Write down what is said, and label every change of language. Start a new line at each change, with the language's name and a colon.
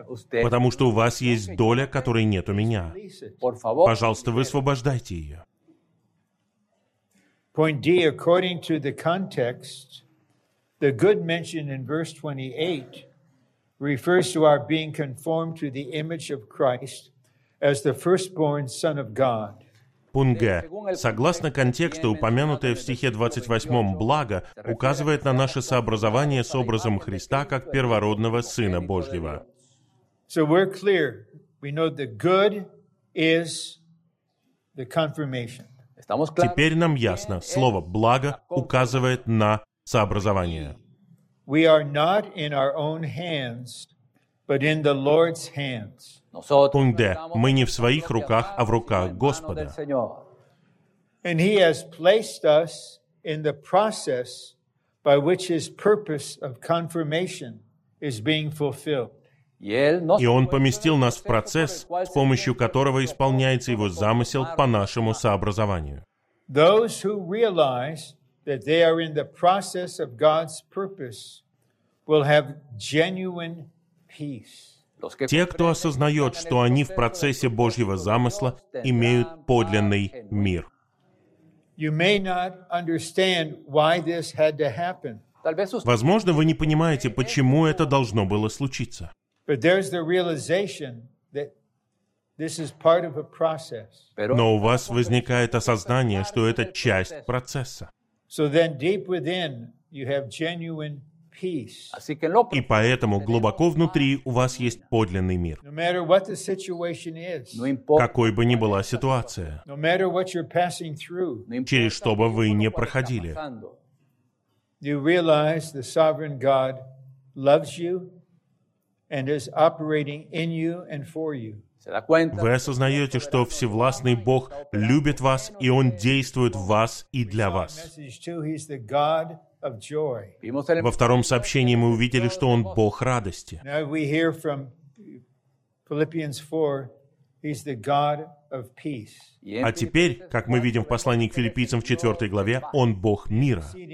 Russian: Потому что у вас есть доля, которой нет у меня. Пожалуйста, высвобождайте ее.
English: Point D, according to the context, the good mention in verse 28 refers to our being conformed to the image of Christ as the firstborn Son of God.
Russian: Пункт Г. Согласно контексту, упомянутое в стихе 28-м «благо» указывает на наше сообразование с образом Христа как первородного Сына Божьего.
English: So we're clear. We know the good is
Russian: Теперь нам ясно, слово «благо» указывает на сообразование.
English: We are not in our own hands, but in the Lord's hands.
Russian: Пункт Д. Мы не в своих руках, а в руках Господа.
English: And He has placed us in the process by which His purpose of confirmation is being fulfilled.
Russian: И Он поместил нас в процесс, с помощью которого исполняется Его замысел по нашему сообразованию.
English: Those who realize that they are in the process of God's purpose will have genuine peace.
Russian: Те, кто осознает, что они в процессе Божьего замысла, имеют подлинный мир.
English: You may not understand why this had to happen.
Russian: Возможно, вы не понимаете, почему это должно было случиться.
English: But there's the realization that this is part of a process.
Russian: Но у вас возникает осознание, что это часть процесса.
English: So then deep within you have genuine peace.
Russian: И поэтому глубоко внутри у вас есть подлинный мир.
English: No matter what the situation is.
Russian: Какой бы ни была ситуация.
English: No matter what you're passing through.
Russian: Через что бы вы ни проходили.
English: You realize the sovereign God loves you. And is operating in you and for you.
Russian: Вы осознаете, что Всевластный Бог любит вас, и Он действует в вас и для вас. Во втором сообщении мы увидели, что Он Бог радости. А теперь, как мы видим в послании к филиппийцам в 4 главе, Он Бог мира.